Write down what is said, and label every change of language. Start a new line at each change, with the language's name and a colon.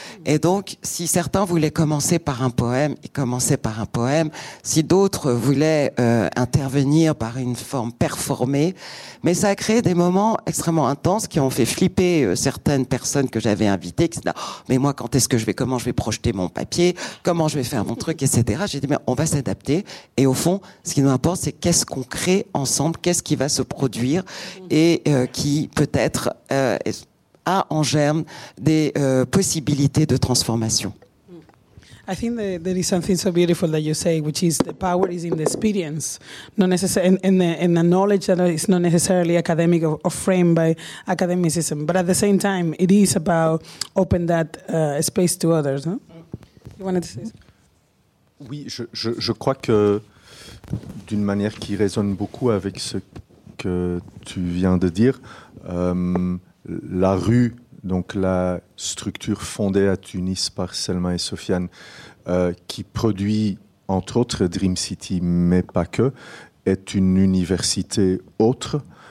French: Et donc, si certains voulaient commencer par un poème, ils commençaient par un poème, si d'autres voulaient intervenir par une forme performée, mais ça a créé des moments extrêmement intenses qui ont fait flipper certaines personnes que j'avais invitées, qui se disaient, mais moi, quand est-ce que je vais, comment je vais projeter mon papier, comment je vais faire mon truc, etc. J'ai dit, mais on va s'adapter, et au fond, ce qui nous importe, c'est qu'est-ce qu'on crée ensemble, qu'est-ce qui va se produire, et qui peut-être a en germe des possibilités de transformation.
English: I think that there is something so beautiful that you say, which is the power is in the experience, not necessarily in a knowledge that is not necessarily academic or framed by academicism. But at the same time, it is about open that space to others. No? You wanted to say something?
French: Oui, je crois que d'une manière qui résonne beaucoup avec ce que tu viens de dire, la rue, donc la structure fondée à Tunis par Selma et Sofiane, qui produit entre autres Dream City, mais pas que, est une université autre